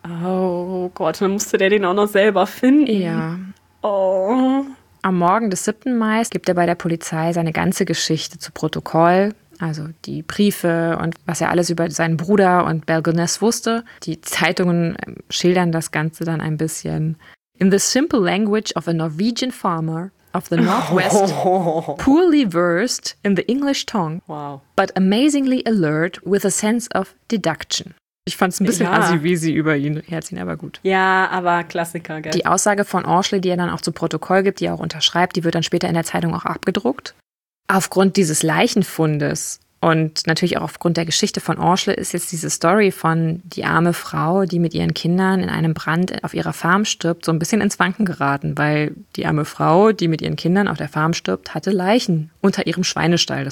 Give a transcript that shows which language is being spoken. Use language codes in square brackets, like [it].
[de] Oh Gott, dann musste der den auch noch selber finden. Ja. Oh. Am Morgen des 7. Mai gibt er bei der Polizei seine ganze Geschichte zu Protokoll. Also die Briefe und was er alles über seinen Bruder und Belgonès wusste. Die Zeitungen schildern das Ganze dann ein bisschen. [en] In the simple language of a Norwegian farmer of the Northwest, poorly versed in the English tongue, wow, but amazingly alert with a sense of deduction. [de] Ich fand es ein bisschen assi-wiesi über ihn, herzlichen, aber gut. Ja, aber Klassiker, gell? Die Aussage von Aanschlie, die er dann auch zu Protokoll gibt, die er auch unterschreibt, die wird dann später in der Zeitung auch abgedruckt. Aufgrund dieses Leichenfundes und natürlich auch aufgrund der Geschichte von Aanschlie ist jetzt diese Story von die arme Frau, die mit ihren Kindern in einem Brand auf ihrer Farm stirbt, so ein bisschen ins Wanken geraten, weil die arme Frau, die mit ihren Kindern auf der Farm stirbt, hatte Leichen unter ihrem Schweinestall.